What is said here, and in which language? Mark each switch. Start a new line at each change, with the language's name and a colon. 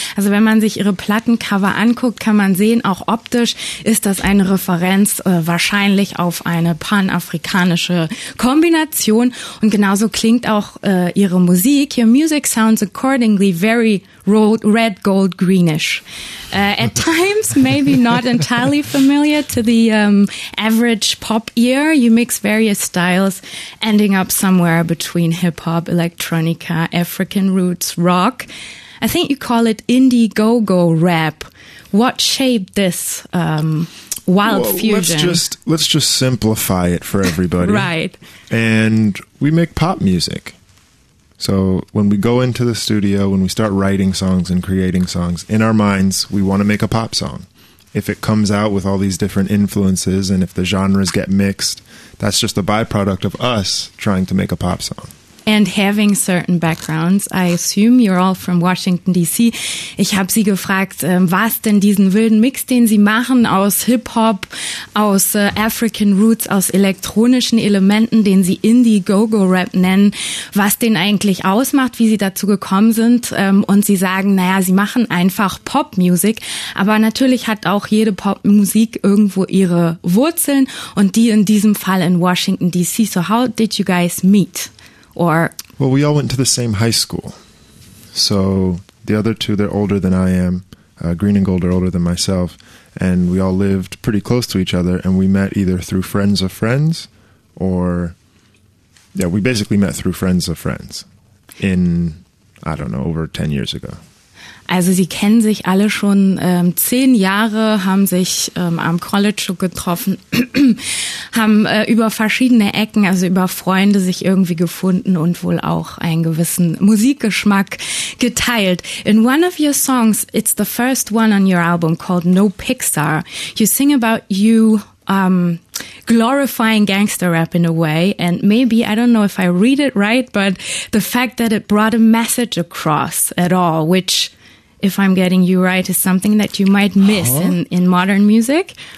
German: Also wenn man sich ihre Plattencover anguckt, kann man sehen, auch optisch ist das eine Referenz wahrscheinlich auf eine panafrikanische Kombination. Und genauso klingt auch ihre Musik.
English: Your music sounds accordingly very red, gold, greenish. At times, maybe not entirely familiar to the average pop ear, you mix various styles, ending up somewhere between hip-hop, electronica, African roots, rock. I think you call it indie-go-go rap. What shaped this wild fusion? Let's just simplify it for everybody. Right. And we make pop music. So when we go into the studio, when we start writing songs and creating songs, in our minds, we want to make a pop song. If it comes out with all these different influences and if the genres get mixed, that's just a byproduct of us trying to make a pop song. And having certain backgrounds, I assume you're all from Washington D.C.
German: Ich habe sie gefragt, was denn diesen wilden Mix, den sie machen aus Hip-Hop, aus African Roots, aus elektronischen Elementen, den sie Indie-Go-Go-Rap nennen, was den eigentlich ausmacht, wie sie dazu gekommen sind. Und sie sagen, naja, sie machen einfach Pop-Music. Aber natürlich hat auch jede Pop-Musik irgendwo ihre Wurzeln und die in diesem Fall in Washington D.C.
English: So how did you guys meet? We all went to the same high school. So the other two, they're older than I am. Green and Gold are older than myself. And we all lived pretty close to each other. And we met either through friends of friends or... Yeah, we basically met through friends of friends in, I don't know, over 10 years ago.
German: Also sie kennen sich alle schon 10 Jahre, haben sich am College schon getroffen, haben über verschiedene Ecken, also über Freunde sich irgendwie gefunden und wohl auch einen gewissen Musikgeschmack geteilt.
English: In one of your songs, it's the first one on your album called No Pixar, you sing about you... glorifying gangster rap in a way, and maybe, I don't know if I read it right, but the fact that it brought a message across at all, which, if I'm getting you right, is something that you might miss in modern music.